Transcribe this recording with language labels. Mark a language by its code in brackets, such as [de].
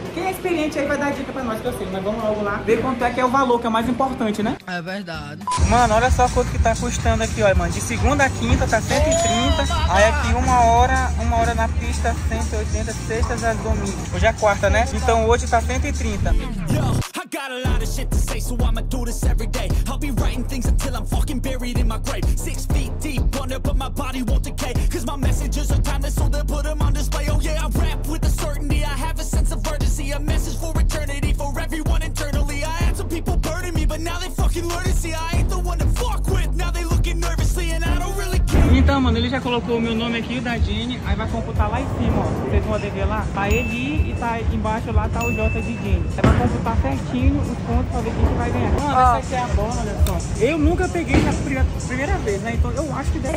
[pt] Quem é experiente aí vai dar dica pra nós, que eu sei. Mas vamos logo lá. Ver quanto é que é o valor, que é o mais importante, né? É verdade. Mano, olha só quanto que tá custando aqui, olha, mano. De segunda a quinta tá 130. Ô, aí aqui uma hora na pista 180, sextas a domingo. Hoje é quarta, né? Então hoje tá 130. [en] Got a lot of shit to say, so I'ma do this every day. I'll be writing things until I'm fucking buried in my grave. 6 feet deep under, but my body won't decay. Cause my messages are timeless, so they'll put them on display. Oh yeah, I rap with a certainty, I have a sense of urgency. A message for eternity, for everyone internally. I had some people burning me, but now they fucking learn to see. I ain't the one to fuck with, now they looking nervously. And I don't really care. [pt] Então, mano, ele já colocou o meu nome aqui, o da Jenny. Aí vai computar lá em cima, ó. Vocês vão poder ver lá. Tá ele e tá embaixo lá, tá o Jota de Jenny. Aí vai computar certinho os pontos pra ver quem vai ganhar. Essa aqui é a bola, olha só. Eu nunca peguei essa primeira vez, né? Então eu acho que deve.